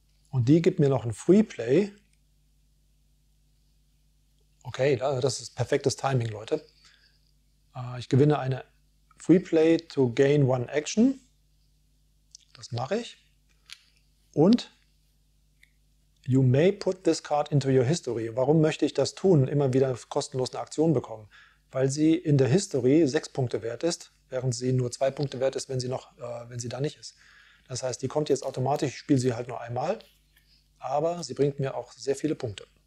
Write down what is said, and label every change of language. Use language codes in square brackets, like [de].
[de] Und die gibt mir noch ein Free Play. Okay, das ist perfektes Timing, Leute. Ich gewinne eine Free Play [en] to gain one action. [de] Das mache ich. [en] Und you may put this card into your history. [de] Warum möchte ich das tun? Immer wieder kostenlos eine Aktion bekommen. Weil sie in der History 6 Punkte wert ist, während sie nur 2 Punkte wert ist, wenn sie da nicht ist. Das heißt, die kommt jetzt automatisch, ich spiele sie halt nur einmal. Aber sie bringt mir auch sehr viele Punkte.